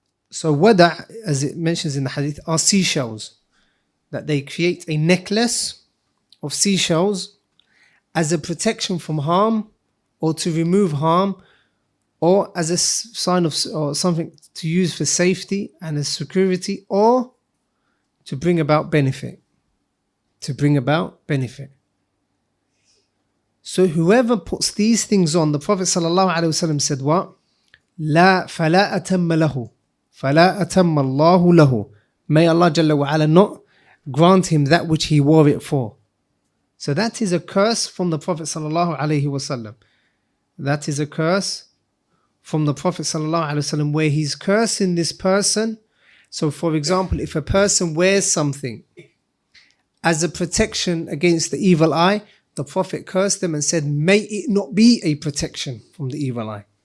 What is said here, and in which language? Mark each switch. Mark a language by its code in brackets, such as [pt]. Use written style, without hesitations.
[en] So wada', as it mentions in the hadith, are seashells, that they create a necklace of seashells as a protection from harm, or to remove harm, or as a sign of, or something to use for safety and as security, or to bring about benefit. To bring about benefit. So whoever puts these things on, the Prophet ﷺ said what? [ar] لا فلا أتم له, فلا أتم الله له. [en] May Allah جل وعلا not grant him that which he wore it for. So that is a curse from the Prophet ﷺ. That is a curse from the Prophet ﷺ, where he's cursing this person. So for example, if a person wears something as a protection against the evil eye, the Prophet cursed them and said, may it not be a protection from the evil eye.